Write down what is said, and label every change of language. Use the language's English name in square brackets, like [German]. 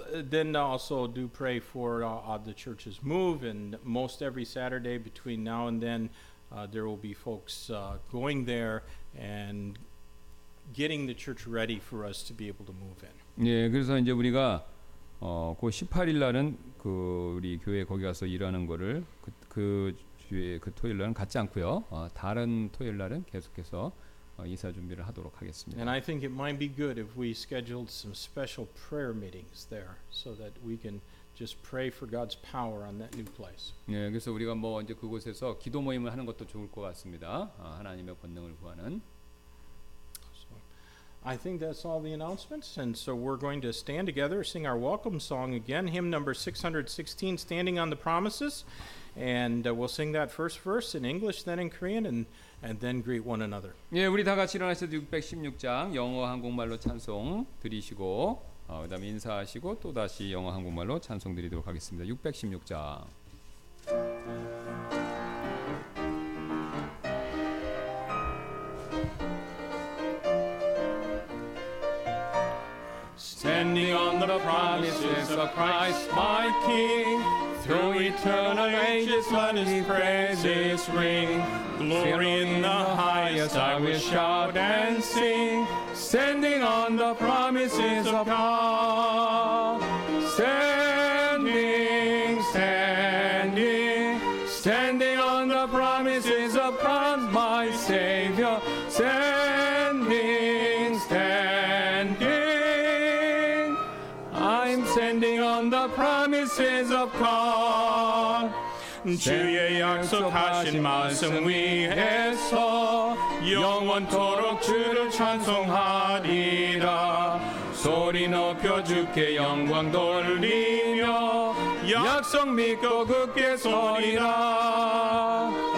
[English] Then also do pray for the church's move, and most every Saturday between now and then, there will be folks going there and getting the church ready for us to be able to move in. [Korean] 예, 그래서 이제 우리가 그 18일 날은 그 우리 교회 거기 가서 일하는 거를 그 주에 그 토요일 날은 갖지 않고요. 다른 토요일 날은 계속해서. 이사 준비를 하도록 하겠습니다. [English] And I think it might be good if we scheduled some special prayer meetings there so that we can just pray for God's power on that new place. [Korean] 네, 그래서 우리가 뭐 이제 그곳에서 기도 모임을 하는 것도 좋을 것 같습니다. 하나님의 권능을 구하는. [English] So, I think that's all the announcements, and so we're going to stand together, sing our welcome song again, hymn number 616, Standing on the Promises, and we'll sing that first verse in English, then in Korean, and then greet one another. [Korean] 예, 우리 다 같이 일어나셔서 616장 영어 한국말로 찬송 드리시고 그다음 인사하시고 또 다시 영어 한국말로 찬송 드리도록 하겠습니다. 616장. [English] Standing on the promises of Christ my King, through eternal ages let His praises ring. Glory in the highest I will shout and sing, standing on the promises of God. Standing, standing, standing on the promises of God my Savior. Standing, standing, I'm standing on the promises of God. [Korean] 주의 약속하신 말씀 위에서 영원토록 주를 찬송하리라 소리 높여 주께 영광 돌리며 약속 믿고 굳게 서리라